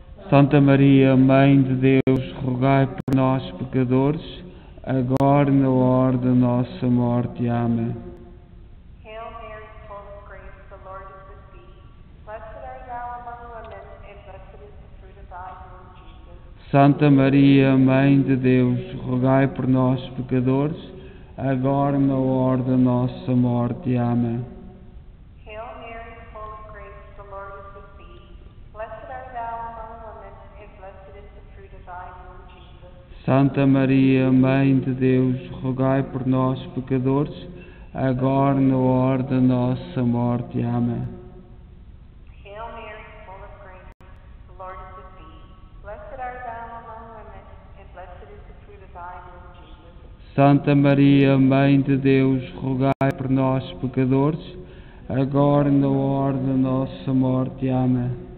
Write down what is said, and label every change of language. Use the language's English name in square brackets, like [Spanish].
[Portuguese] Santa Maria, Mãe de Deus, rogai por nós, pecadores, agora e na hora da nossa morte. Amém. [English] Hail Mary, full of grace, the Lord is with thee. Blessed art thou among women, and blessed is the fruit of thy womb, Jesus. [Portuguese] Santa Maria, Mãe de Deus, rogai por nós, pecadores, agora e na hora da nossa morte. Amém. [English] Hail Mary, full of grace, the Lord is with thee. Blessed art thou among women, and blessed is the fruit of thy womb, Jesus. [Portuguese] Santa Maria, Mãe de Deus, rogai por nós, pecadores, agora e na hora da nossa morte. Amém. [English] Hail Mary, full of grace, the Lord is with thee. Blessed art thou among women, and blessed is the fruit of thy womb, Jesus. [Portuguese] Santa Maria, Mãe de Deus, rogai por nós, pecadores, agora e na hora da nossa morte. Amém.